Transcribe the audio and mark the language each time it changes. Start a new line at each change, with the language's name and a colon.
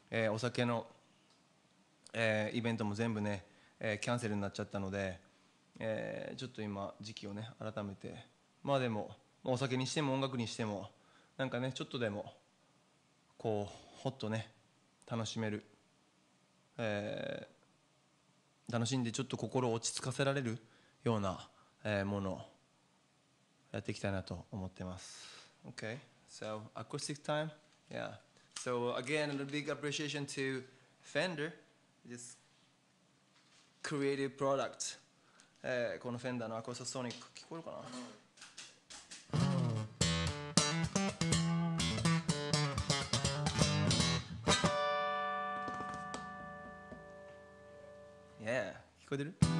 Japanese: お酒の、イベントも全部ね、キャンセルになっちゃったので、ちょっと今時期をね改めて、まあでもお酒にしても音楽にしてもなんかねちょっとでもこうホッとね楽しめる、楽しんでちょっと心を落ち着かせられるような、もの。やっていきたいなと思ってます。
English: Okay, so acoustic time, yeah. So again, a big appreciation to Fender, this creative product.
Japanese: このフェンダーのアコースティックソニック聞こえるかな？ Yeah, 聞こえてる？